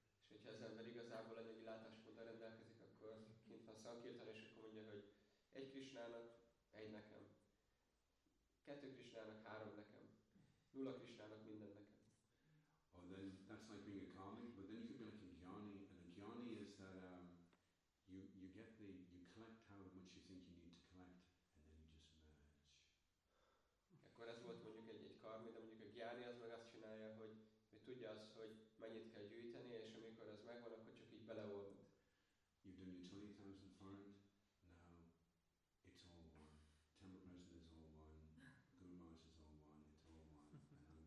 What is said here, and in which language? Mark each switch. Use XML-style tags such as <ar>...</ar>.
<hu>Hogyha az ember igazából anyagi látásmóddal rendelkezik, akkor kint van Sankirtan, és akkor mondja, hogy egy Krisnának, egy nekem. Kettő Krisnának, három nekem. Nulla Krisnának, minden nekem.</hu> <en>Oh, then that's like being a Kali, but then you could be like a Gyani, and a Gyani is that you collect how much you think you need to collect, and then you just merge.</en> <hu>Akkor ez volt mondjuk egy Karmi, de mondjuk a Gyani az meg azt csinálja, hogy tudja azt, hogy mennyit kell gyűjteni, és amikor ez megvan, akkor csak így beleolvad.</hu> <en>You've done your 20,000 forint, now it's all one. Temple present is all one, Guru Maharaj is all one, it's all one, and I'm fine, and I'm chilled, and it's no problem, no hassle.</en>